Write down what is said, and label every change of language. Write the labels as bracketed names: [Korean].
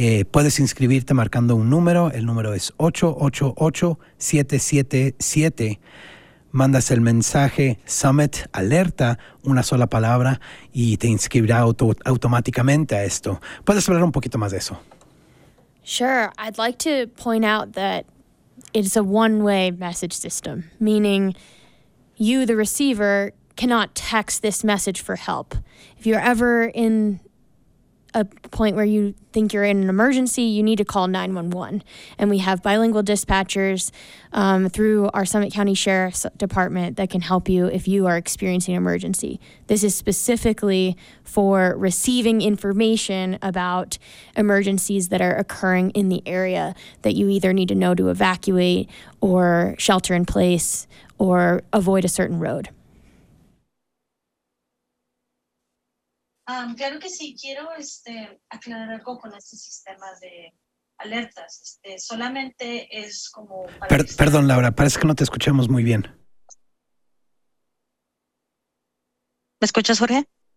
[Spanish] Puedes inscribirte marcando un número. El número es 888-777. Mandas el mensaje Summit Alerta, una sola palabra, y te inscribirá automáticamente a esto. ¿Puedes hablar un poquito más de eso? [English] Sure. I'd like to point out that it's a one-way message system, meaning you, the receiver, cannot text this message for help. If you're ever in a point where you think you're in an emergency, you need to call 911. And we have bilingual dispatchers through our Summit County Sheriff's Department that can help you if you are experiencing an emergency. This is specifically for receiving information about emergencies that are occurring in the area that you either need to know to evacuate or shelter in place or avoid a certain road. [Spanish] Claro que sí, quiero aclarar algo con este sistema de alertas. Solamente es como... Perdón, Laura, parece que no te escuchamos muy bien. ¿Me escuchas, Jorge?